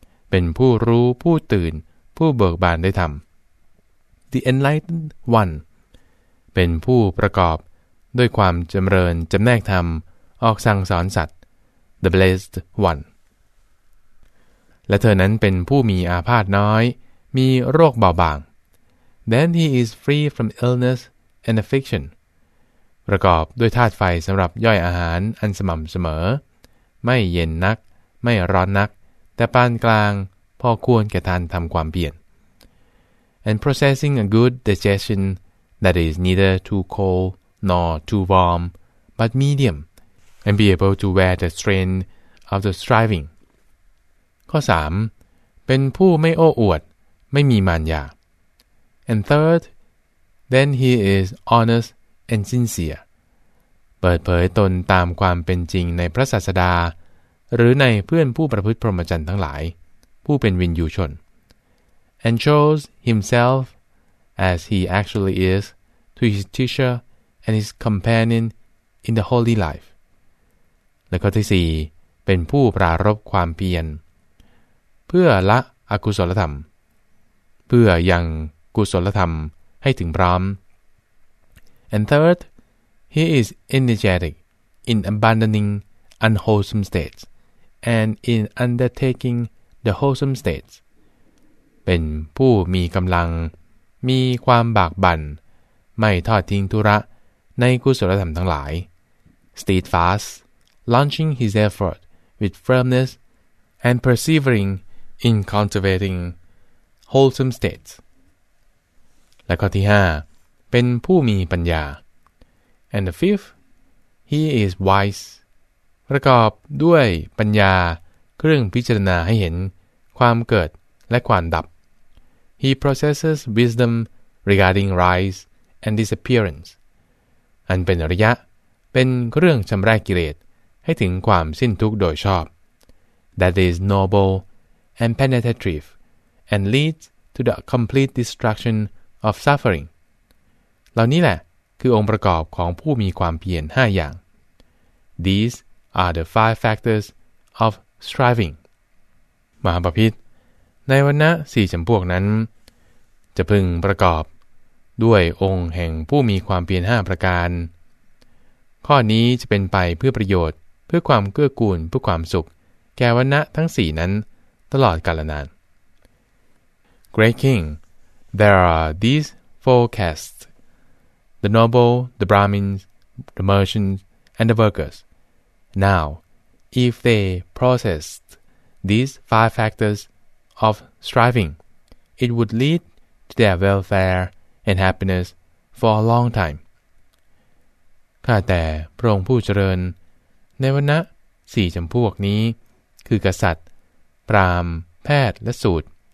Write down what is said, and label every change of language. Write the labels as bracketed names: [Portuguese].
[Thai] เป็นผู้รู้ผู้ตื่นผู้เบิกบานได้ทำ [English] The Enlightened One [Thai] เป็นผู้ประกอบด้วยความจำเริญจำแนกธรรมออกสั่งสอนสัตว์ [English] The Blessed One [Thai] และเธอนั้นเป็นผู้มีอาพาธน้อยมีโรคเบาบาง [English] Then he is free from illness and affliction [Thai] ประกอบด้วยธาตุไฟสำหรับย่อยอาหารอันสม่ำเสมอไม่เย็นนักไม่ร้อนนักแต่ปานกลางพอควรแก่ทานทำความเพียร [English] And processing a good digestion that is neither too cold nor too warm but mediumAnd be able to wear the strain of the striving. [Thai] ข้อ 3. เป็นผู้ไม่โอ้อวดไม่มีมารยา [English] And third, then he is honest and sincere. [Thai] เปิดเผยตนตามความเป็นจริงในพระศาสดาหรือในเพื่อนผู้ประพฤติพรหมจรรย์ทั้งหลายผู้เป็นวินยูชน [English] And shows himself as he actually is to his teacher and his companion in the holy life. [Thai] และข้อที่ 4. เป็นผู้ปรารภความเพียรเพื่อละอกุศลธรรมเพื่อยังกุศลธรรมให้ถึงพร้อม [English] And third, he is energetic in abandoning unwholesome states and in undertaking the wholesome states [Thai] เป็นผู้มีกำลังมีความบากบั่นไม่ทอดทิ้งธุระในกุศลธรรมทั้งหลาย [English] steadfastLaunching his effort with firmness and persevering in cultivating wholesome states. [Thai] และข้อที่ 5. เป็นผู้มีปัญญา [English] And the fifth, he is wise. [Thai] ประกอบด้วยปัญญาเครื่องพิจารณาให้เห็นความเกิดและความดับ [English] He processes wisdom regarding rise and disappearance. [Thai] อันเป็นอริยะเป็นเครื่องชำระกิเลสให้ถึงความสิ้นทุกข์โดยชอบ [English] That is noble and penetrative and leads to the complete destruction of suffering [Thai] เหล่านี้แหละคือองค์ประกอบของผู้มีความเพียร5อย่าง [English] These are the five factors of striving [Thai] มหาบพิตรในวรรณะ4จำพวกนั้นจะพึงประกอบด้วยองค์แห่งผู้มีความเพียร5ประการข้อนี้จะเป็นไปเพื่อประโยชน์เพื่อความเกื้อกูลเพื่อความสุขแก่วรรณะทั้ง4นั้นตลอดกาลนาน [English] Great King, there are these four castes: the noble, the Brahmins, the merchants, and the workers. Now, if they processed these five factors of striving, it would lead to their welfare and happiness for a long time. [Thai] ข้าแต่พระองค์ผู้เจริญในวรรณะ4จำพวกนี้คือกษัตริย์พราหมณ์แพทย์และสูตร